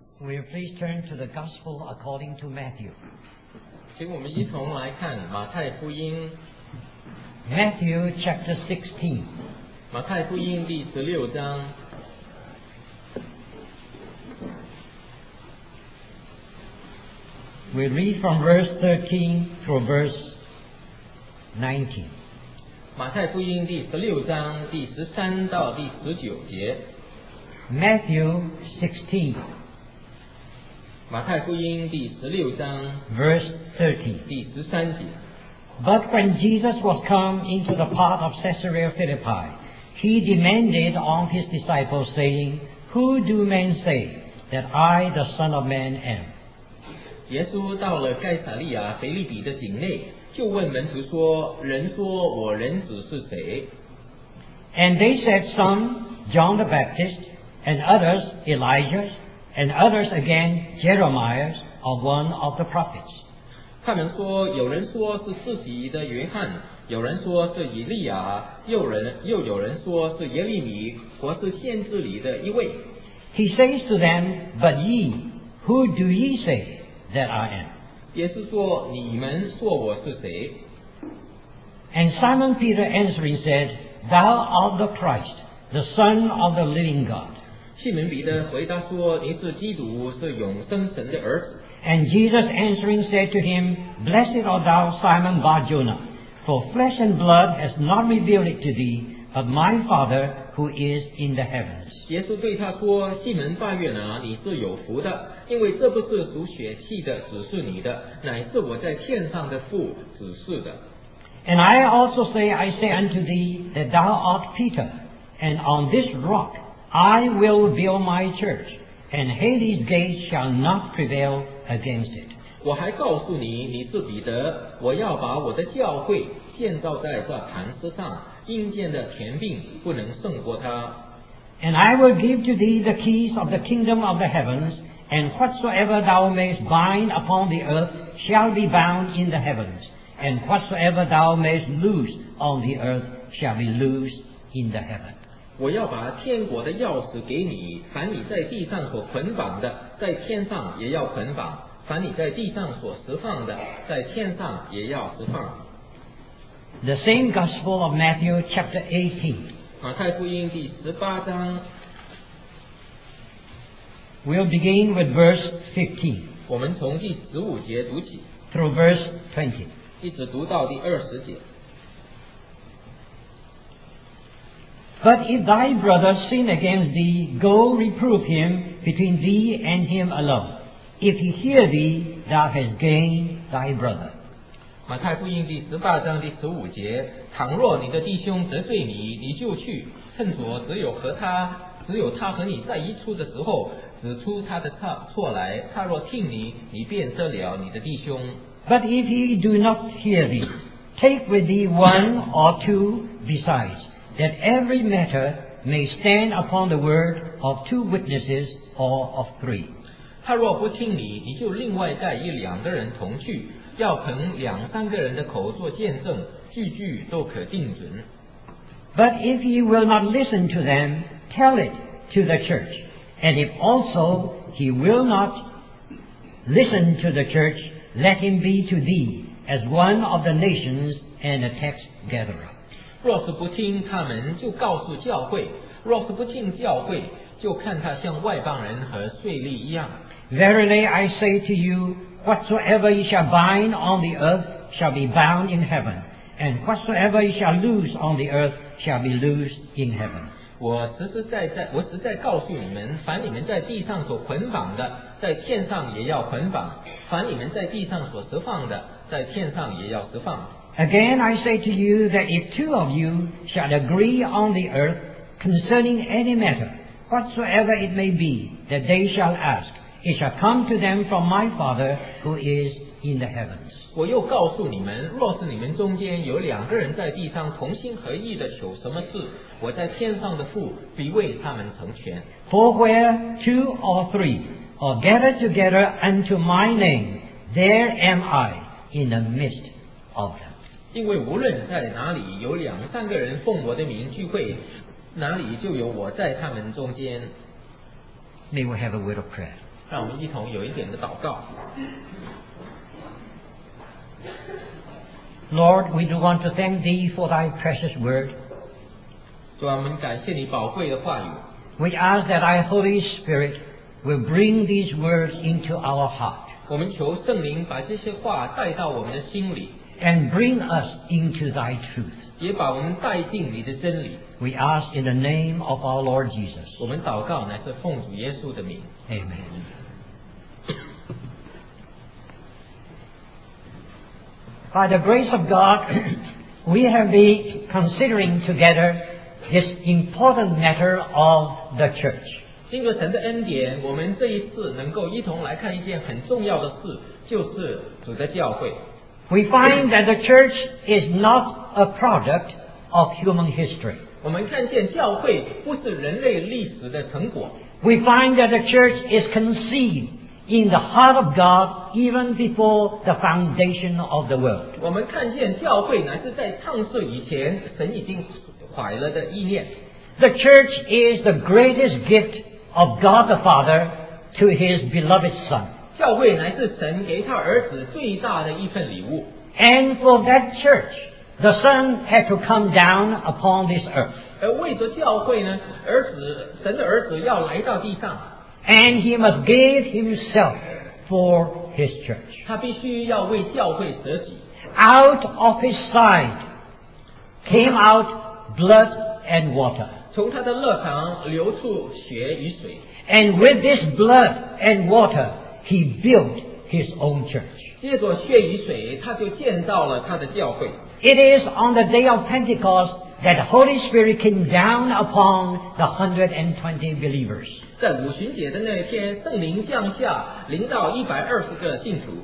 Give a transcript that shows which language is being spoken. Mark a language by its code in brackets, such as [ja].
[en] Will you please turn to the Gospel according to Matthew? [zh] 请我们一同来看马太福音。 [en] Matthew chapter 16。 [zh] 马太福音第十六章。 [en] We read from verse 13 through verse 19. [zh] 马太福音第十六章第十三到第十九节。 [en] Matthew 16. [zh] 马太福音第十六章。 [en] Verse 13. [zh] 第十三节。 [en] But when Jesus was come into the part of Caesarea Philippi, he demanded on his disciples, saying, Who do men say that I, the Son of Man, am? [zh] 耶稣到了盖撒利亚腓利比的境内，就问门徒说：“人说我人子是谁？” [en] And they said, Some John the Baptist, and others Elijah, and others again Jeremiah, or one of the prophets. [zh] 他们说，有人说是施洗的约翰，有人说是以利亚，又有人说是耶利米，或是先知里的一位。 [en] He says to them, But ye, who do ye say? That I am. [zh] 也是说你们说我是谁? [en] And Simon Peter answering said, Thou art the Christ, the Son of the living God. [zh] 西门彼得回答说, 你是基督, 是永生神的儿子。 [en] And Jesus answering said to him, Blessed art thou, Simon Barjona, for flesh and blood has not revealed it to thee, but my Father who is in the heavens. [zh] 耶稣对他说：“西门巴约拿，你是有福的，因为这不是属血气的指示你的，乃是我在天上的父指示的。” [en] And I also say, I say unto thee, that thou art Peter, and on this rock I will build my church, and Hades gates shall not prevail against it. [zh] 我还告诉你，你是彼得，我要把我的教会建造在这磐石上，阴间的权柄不能胜过它。 [en] And I will give to thee the keys of the kingdom of the heavens, and whatsoever thou mayest bind upon the earth shall be bound in the heavens, and whatsoever thou mayest loose on the earth shall be loosed in the heaven. [zh] 我要把天国的钥匙给你，凡你在地上所捆绑的，在天上也要捆绑，凡你在地上所释放的，在天上也要释放。 [en] The same Gospel of Matthew chapter 18. [zh] 马太福音第十八章 [en] We'll begin with verse 15. [zh] 我们从第十五节读起 [en] Through verse 20. [zh] 一直读到第二十节 [en] But if thy brother sin against thee, go reprove him between thee and him alone. If he hear thee, thou hast gained thy brother. [zh] 马太福音第十八章第十五节，倘若你的弟兄得罪你，你就去，趁着只有他和你在一处的时候，指出他的错来。他若听你，你便得了你的弟兄。 [en] But if he do not hear thee, take with thee one or two besides, that every matter may stand upon the word of two witnesses or of three. [zh] 他若不听你，你就另外带一两个人同去。要凭两三个人的口做见证，句句都可定准。 [en] But if he will not listen to them, tell it to the church. And if also he will not listen to the church, let him be to thee as one of the nations and a tax gatherer. [zh] 若是不听他们，就告诉教会；若是不听教会，就看他像外邦人和税吏一样。 [en] Verily I say to you. Whatsoever ye shall bind on the earth shall be bound in heaven, and whatsoever ye shall loose on the earth shall be loosed in heaven. [zh] 我实在告诉你们，凡你们在地上所捆绑的，在天上也要捆绑；凡你们在地上所释放的，在天上也要释放。 [en] Again I say to you that if two of you shall agree on the earth concerning any matter, whatsoever it may be, that they shall ask,It shall come to them from my Father who is in the heavens. [zh] 我又告诉你们，若是你们中间有两个人在地上同心合意的求什么事，我在天上的父必为他们成全。 [en] For where two or three are gathered together unto my name, there am I in the midst of them. [zh] 因为无论在哪里有两三个人奉我的名聚会，哪里就有我在他们中间。 [en] May we have a word of prayer. [zh] 让我们一同有一点的祷告。 [en] Lord, we do want to thank thee for thy precious word. [zh] 主啊，我们感谢你宝贵的话语。 [en] We ask that thy Holy Spirit will bring these words into our heart. [zh] 我们求圣灵把这些话带到我们的心里。 [en] And bring us into thy truth. [zh] 也把我们带进你的真理。 [en] We ask in the name of our Lord Jesus. [zh] 我们祷告乃是奉主耶稣的名。 [en] Amen. By the grace of God, we have been considering together this important matter of the church. [zh] 经过神的恩典，我们这一次能够一同来看一件很重要的事，就是主的教会。 [en] We find that the church is not a product of human history. [zh] 我们看见教会不是人类历史的成果。 [en] We find that the church is conceived. In the heart of God, even before the foundation of the world. [zh] 我们看见教会乃是在创世以前，神已经怀了的意念。 [en] The church is the greatest gift of God the Father to His beloved Son. [zh] 教会乃是神给他儿子最大的一份礼物。 [en] And for that church, the Son had to come down upon this earth. [zh] 而为着教会呢，儿子，神的儿子要来到地上。 [en] And he must give himself for his church. [zh] 他必须要为教会舍己。 [en] Out of his side came out blood and water. [zh] 从他的肋旁流出血与水。 [en] And with this blood and water, he built his own church. [zh] 借着血与水，他就建造了他的教会。 [en] It is on the day of Pentecost that the Holy Spirit came down upon the 120 believers. [zh] 在五旬节的那天，圣灵降下，临到120个信徒。